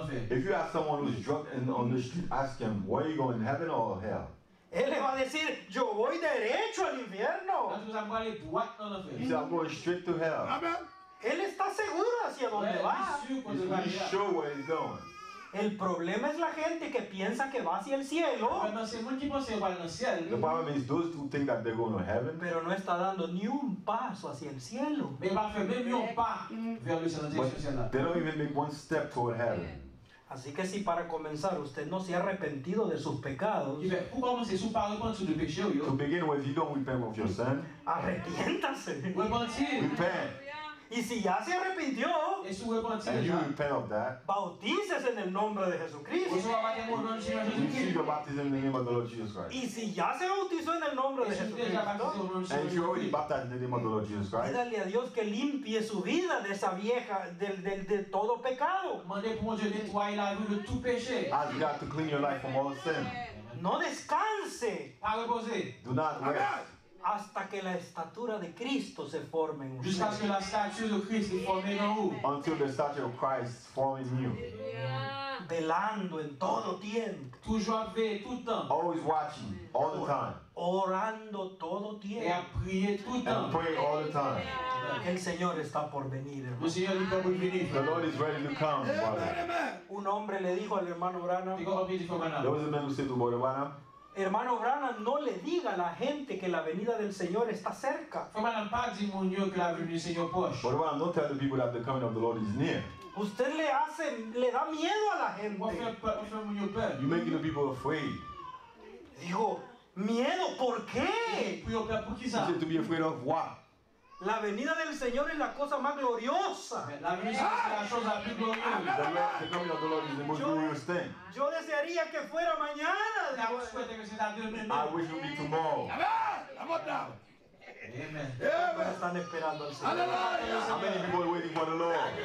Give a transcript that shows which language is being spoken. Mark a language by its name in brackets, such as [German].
[English] If you ask someone who's drunk and on the street, ask him, where are you going, heaven or hell? [Spanish] Él le va a decir, yo voy derecho al infierno. [English] He said, I'm going straight to hell. Amen. [Spanish] Él está seguro hacia dónde va. [English] He's sure where he's going. [Spanish] El problema es la gente que piensa que va hacia el cielo. [English] The problem is those who think that they're going to heaven. [Spanish] Pero no está dando ni un paso hacia el cielo. [English] They don't even make one step toward heaven. [Spanish] Así que si para comenzar usted no se ha arrepentido de sus pecados. [English] To begin with, you don't repent of your sin. [Spanish] Arrepiéntase. [English] Repent. [Spanish] Y si ya se arrepintió, [English] and you repent of that, [Spanish] bautícese en el nombre de Jesucristo. [English] Receive your baptism in the name of the Lord Jesus Christ. [Spanish] Y si ya se bautizó en el nombre de Jesucristo, [English] and you already baptized in the name of the Lord Jesus Christ, [Spanish] pídale a Dios que limpie su vida de esa vieja, de todo pecado. [English] Ask God to clean your life from all sin. [Spanish] No descanse. [English] Do not rest. [Spanish] Hasta que la estatura de Cristo se forme en usted. Hasta que la estatura de Cristo se forme en usted. [English] Until the statue of Christ forms in you. [Spanish] Velando en todo tiempo. [French] Toujours ver, tout temps. [English] Always watching, all the time. [Spanish] Orando todo tiempo. [French] Y a prier tout temps. [English] And pray all the time. [Spanish] El Señor está por venir, hermano. El Señor está por venir. [English] The Lord is ready to come, brother. [Spanish] Un hombre le dijo al hermano Branham. [English] There was a man who said to brother Branham. [Spanish] Hermano Branham, no le diga a la gente que la venida del Señor está cerca. [English] No tell the people that the coming of the Lord is near. [Spanish] Usted le da miedo a la gente. [English] You're making the people afraid. [Spanish] Dijo, miedo, ¿por qué? [English] You said to be afraid of what? [Spanish] La venida del Señor es la cosa más gloriosa. La venida es la cosa más gloriosa. [English] The coming of the Lord is the most glorious thing. [Spanish] Yo desearía que fuera mañana. [English] I wish it would be tomorrow. Amen. [Spanish] Amen. Están esperando al Señor. [English] How many people are waiting for the Lord?